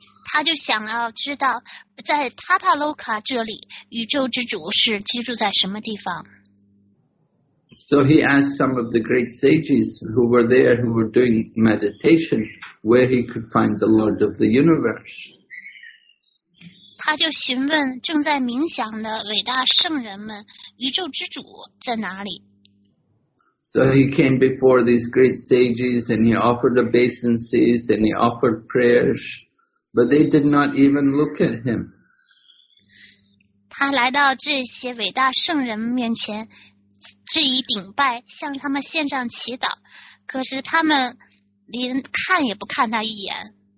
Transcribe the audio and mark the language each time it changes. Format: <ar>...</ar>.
<zh>他就想要知道在 Tapaloka 这里宇宙之主是居住在什么地方。</zh> <en>So he asked some of the great sages who were there, who were doing meditation, where he could find the Lord of the universe.</en> <zh>他就询问正在冥想的伟大圣人们，宇宙之主在哪里。</zh> <en>So he came before these great sages and he offered obeisances and he offered prayers, but they did not even look at him.</en> <zh>他来到这些伟大圣人们面前致以顶拜，向他们献上祈祷，可是他们连看也不看他一眼。</zh>